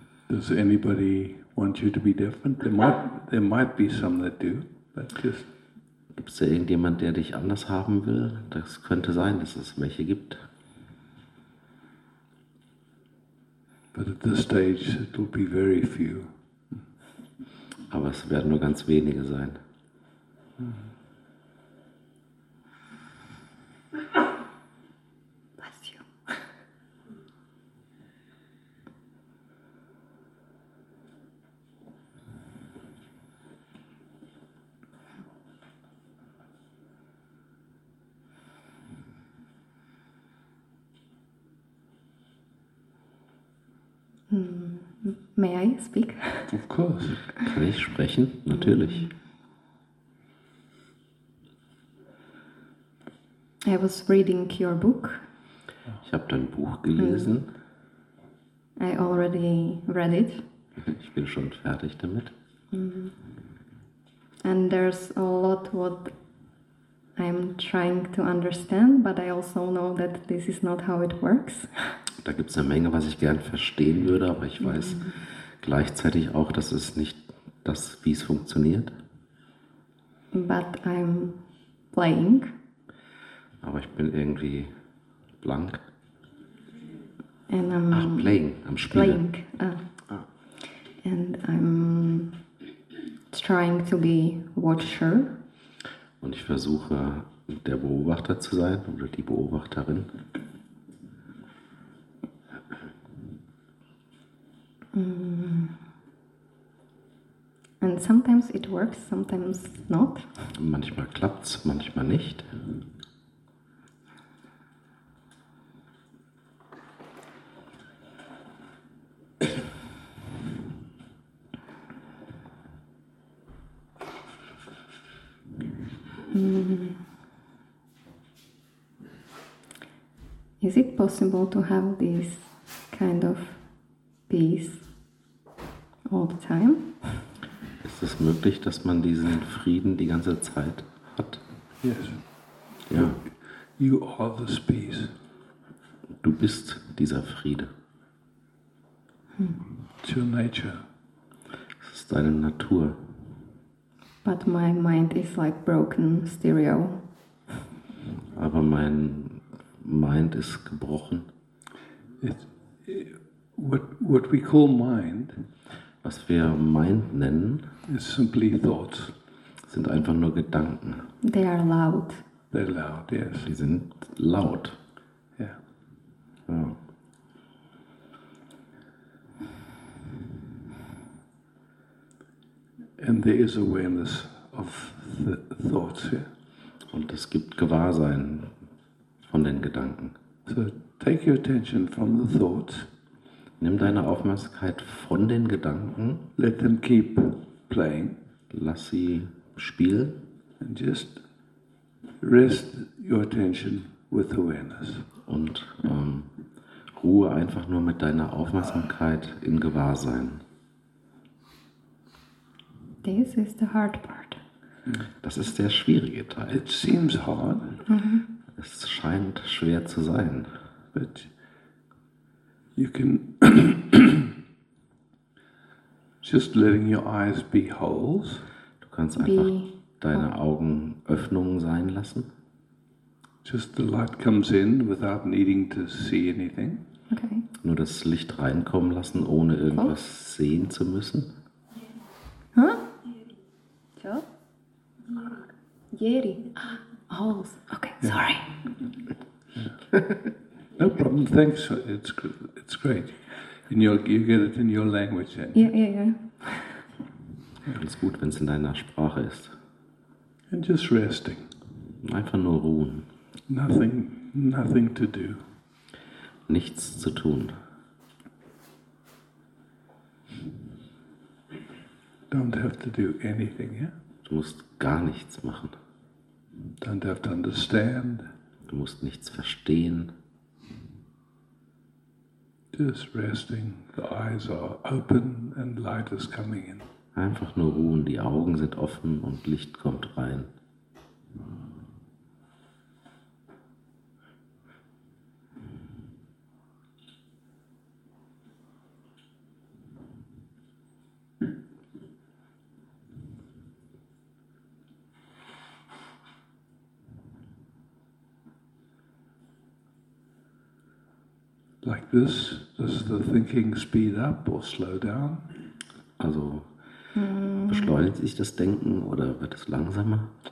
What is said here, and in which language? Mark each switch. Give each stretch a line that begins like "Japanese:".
English: Does anybody want you to be different? There might be some that do, but just.
German: Gibt's da irgendjemand, der dich anders haben will? Das könnte sein, dass es welche gibt.
English: But at this stage, it will be very few.
German: Aber es werden nur ganz wenige sein.
English: May I speak? Of course.
German: Kann ich sprechen? Natürlich.
English: I was reading your book.
German: Ich habe dein Buch gelesen.
English: I already read it.
German: Ich bin schon fertig damit.
English: And there's a lot what I'm trying to understand, but I also know that this is not how it works.
German: Da gibt es eine Menge, was ich gern verstehen würde, aber ich weiß gleichzeitig auch, dass es nicht das, wie es funktioniert.
English: But I'm playing.
German: Aber ich bin irgendwie blank.
English: And I'm playing,
German: am Spielen.
English: Playing. And I'm trying to be watcher.
German: Und ich versuche, der Beobachter zu sein oder die Beobachterin.
English: And sometimes it works, sometimes not.
German: Manchmal klappt's, manchmal nicht.
English: Is it possible to have this kind of peace all the time?
German: Ist es möglich, dass man diesen Frieden die ganze Zeit hat?
English: Yes.
German: Ja.
English: You are this peace.
German: Du bist dieser Friede.
English: It's your nature.
German: Es ist deine Natur.
English: But my mind is like broken stereo.
German: Aber mein Mind ist gebrochen.
English: What we call mind,
German: was wir Mind nennen,
English: is simply thoughts.
German: Sind einfach nur Gedanken.
English: They are loud. They're loud, yes.
German: Die sind laut.
English: Yeah.
German: Ja.
English: And there is awareness of the thoughts. Yeah?
German: Und es gibt Gewahrsein von den Gedanken.
English: So take your attention from the thoughts.
German: Nimm deine Aufmerksamkeit von den Gedanken.
English: Let them keep playing.
German: Lass sie spielen.
English: And just rest your attention with awareness.
German: Und ruhe einfach nur mit deiner Aufmerksamkeit in Gewahrsein.
English: This is the hard part.
German: Das ist der schwierige Teil.
English: It seems hard. Mm-hmm.
German: Es scheint schwer zu sein.
English: But you can just letting your eyes be holes.
German: Du kannst einfach deine Augen Öffnungen sein lassen.
English: Just the light comes in without needing to see anything. Okay.
German: Nur das Licht reinkommen lassen, ohne irgendwas sehen zu müssen. Huh?
English: Jerry. Ah, holes. Okay, yeah. Sorry. Yeah. No problem. Thanks. It's great. And you get it in your language then. Yeah.
German: Ganz gut, wenn es in deiner Sprache ist.
English: And just resting.
German: Einfach nur ruhen.
English: Nothing to do.
German: Nichts zu tun.
English: Don't have to do anything, yeah?
German: Du musst gar nichts machen.
English: Don't have to understand.
German: Du musst nichts verstehen.
English: Just resting. The eyes are open and light is coming in.
German: Einfach nur ruhen. Die Augen sind offen und Licht kommt rein.
English: Like this, does the thinking speed up or slow down?
German: Also, beschleunigt sich das Denken oder wird es langsamer?